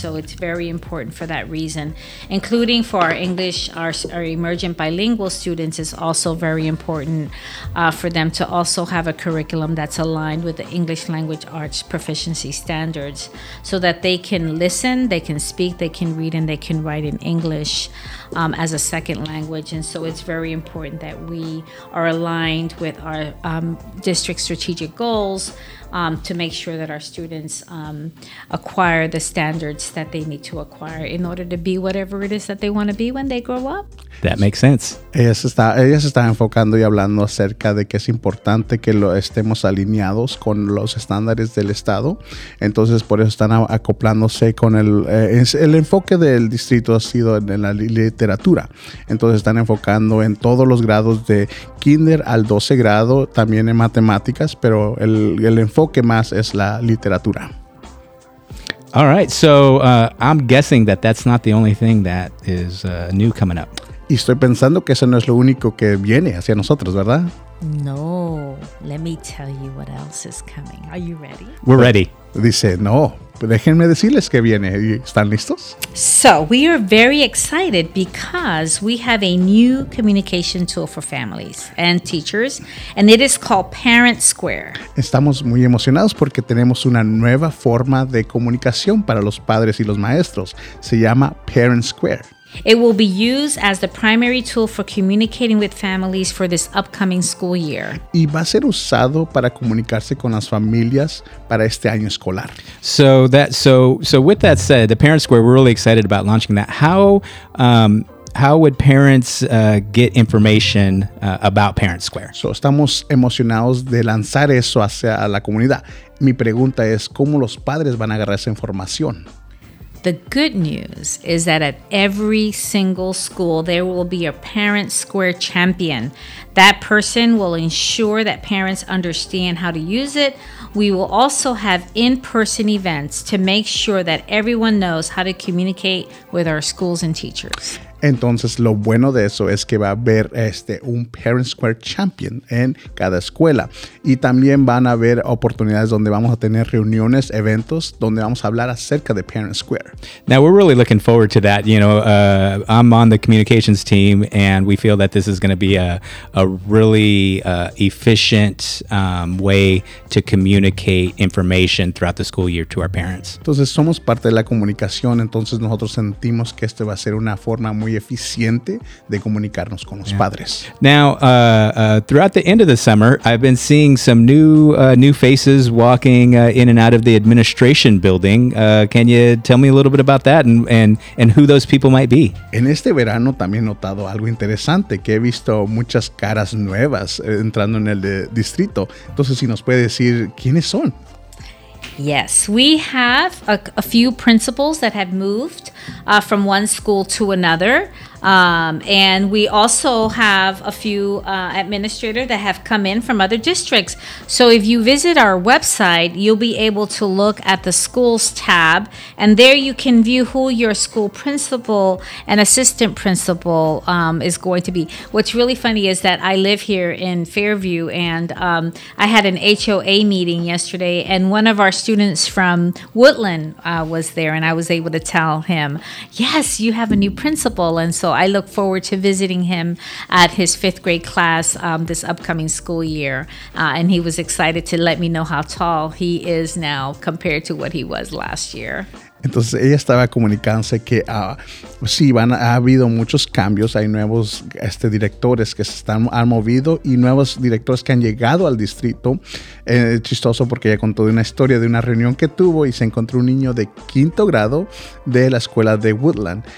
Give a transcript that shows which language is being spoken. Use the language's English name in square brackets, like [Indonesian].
[English] So it's very important for that reason, including for our English, our emergent bilingual students, is also very important for them to also have a curriculum that's aligned with the English language arts proficiency standards, so that they can listen, they can speak, they can read, and they can write in English as a second language. And so it's very important that we are aligned with our district strategic goals to make sure that our students acquire the standards that they need to acquire in order to be whatever it is that they want to be when they grow up. That makes sense. [Spanish] Ella se está enfocando y hablando acerca de que es importante que lo estemos alineados con los estándares del estado. Entonces, por eso están acoplándose con el enfoque del distrito ha sido en la literatura. Entonces, están enfocando en todos los grados de kinder al 12 grado, también en matemáticas, pero el enfoque más es la literatura. [English] All right, so I'm guessing that's not the only thing that is new coming up. [Spanish] Y estoy pensando que eso no es lo único que viene hacia nosotros, ¿verdad? [English] No, let me tell you what else is coming. Are you ready? We're ready. [Spanish] Dice, no, déjenme decirles que viene. ¿Están listos? [English] So, we are very excited because we have a new communication tool for families and teachers, and it is called Parent Square. [Spanish] Estamos muy emocionados porque tenemos una nueva forma de comunicación para los padres y los maestros. Se llama Parent Square. [English] It will be used as the primary tool for communicating with families for this upcoming school year. [Spanish] Y va a ser usado para comunicarse con las familias para este año escolar. [English] So with that said, the Parent Square, we're really excited about launching that. How would parents get information about Parent Square? [Spanish] So estamos emocionados de lanzar eso hacia la comunidad. Mi pregunta es, ¿cómo los padres van a agarrar esa información? [English] The good news is that at every single school, there will be a Parent Square champion. That person will ensure that parents understand how to use it. We will also have in-person events to make sure that everyone knows how to communicate with our schools and teachers. [Spanish] Entonces, lo bueno de eso es que va a haber un Parent Square Champion en cada escuela. Y también van a haber oportunidades donde vamos a tener reuniones, eventos, donde vamos a hablar acerca de Parent Square. [English] Now, we're really looking forward to that. You know, I'm on the communications team, and we feel that this is going to be a really efficient way to communicate information throughout the school year to our parents. [Spanish] Entonces, somos parte de la comunicación. Entonces, nosotros sentimos que esto va a ser una forma muy eficiente de comunicarnos con los padres. [English] Now, throughout the end of the summer, I've been seeing some new faces walking in and out of the administration building. Can you tell me a little bit about that and who those people might be? [Spanish] En este verano también he notado algo interesante, que he visto muchas caras nuevas entrando en el distrito. Entonces, si nos puede decir quiénes son. [English] Yes, we have a few principals that have moved from one school to another. And we also have a few administrators that have come in from other districts. So if you visit our website, you'll be able to look at the schools tab, and there you can view who your school principal and assistant principal is going to be. What's really funny is that I live here in Fairview, and I had an HOA meeting yesterday, and one of our students from Woodland was there, and I was able to tell him, yes, you have a new principal. And so I look forward to visiting him at his fifth grade class this upcoming school year. And he was excited to let me know how tall he is now compared to what he was last year. [Spanish] Entonces ella estaba comunicándose que sí, ha habido muchos cambios. Hay nuevos directores que se están, han movido y nuevos directores que han llegado al distrito. Chistoso porque ella contó de una historia de una reunión que tuvo y se encontró un niño de quinto grado de la escuela de Woodland.